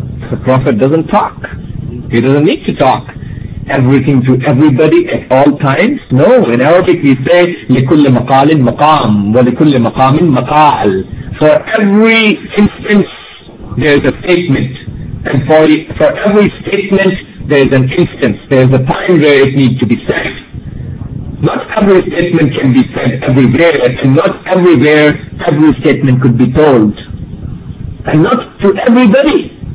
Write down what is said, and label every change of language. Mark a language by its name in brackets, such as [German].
[English] The Prophet doesn't talk. He doesn't need to talk everything to everybody at all times. No, in Arabic we say [Arabic] لِكُلِّ مَقَالٍ مَقَامٍ وَلِكُلِّ مَقَامٍ مَقَالٍ. [English] For every instance there is a statement, and for every statement there is an instance, there is a time where it needs to be said. Not every statement can be said everywhere, and not everywhere every statement could be told, and not to everybody.